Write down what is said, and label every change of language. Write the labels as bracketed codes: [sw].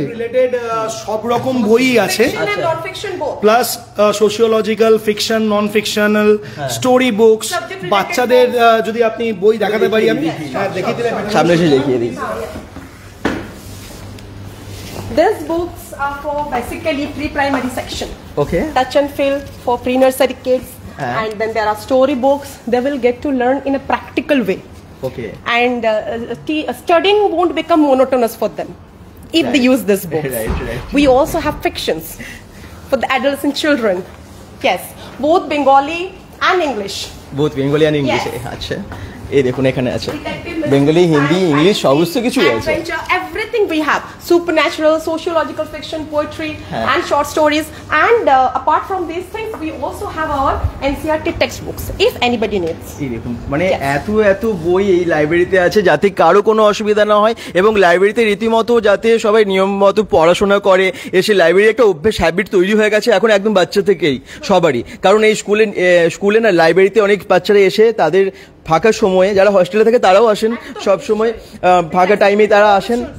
[bn] Related সব রকম বই আছে, প্লাস সোশিওলজিক্যাল, ফিকশন, নন ফিকশনাল, স্টোরি বুকস, বাচ্চাদের যদি আপনি বই দেখাতে পারি আমি দেখিয়ে দিলাম, সামনে এসে দেখিয়ে দিই। [en] These books are for basically pre-primary section. Okay. Touch and feel for pre-nursery kids. And then there are story books. They will get to learn in a practical way. Okay. And studying won't become monotonous for them if they use this book. Right. We also have fictions for the adults and children. Yes. Both Bengali and English. Both Bengali and English. Yes. [bn] এই দেখুন এখানে আছে Bengali Hindi English সমস্ত কিছুই আছে [en] everything we have supernatural sociological fiction poetry and short stories and apart from this things we also have our NCERT textbooks if anybody needs [bn] এই দেখুন মানে এত এত বই এই লাইব্রেরিতে আছে যাতে কারো কোনো অসুবিধা না হয় এবং লাইব্রেরিতে রীতিমতো যাতে সবাই নিয়ম মতো পড়াশোনা করে এসে লাইব্রেরি একটা অভ্যেস হ্যাবিট তৈরি হয়ে গেছে এখন একদম বাচ্চা থেকেই সবারই কারণ এই স্কুলে না লাইব্রেরিতে অনেক বাচ্চারা এসে তাদের ফাঁকা সময়ে যারা হোস্টেলে থাকে তারাও আসেন সব সময় ফাঁকা টাইমে তারা আসেন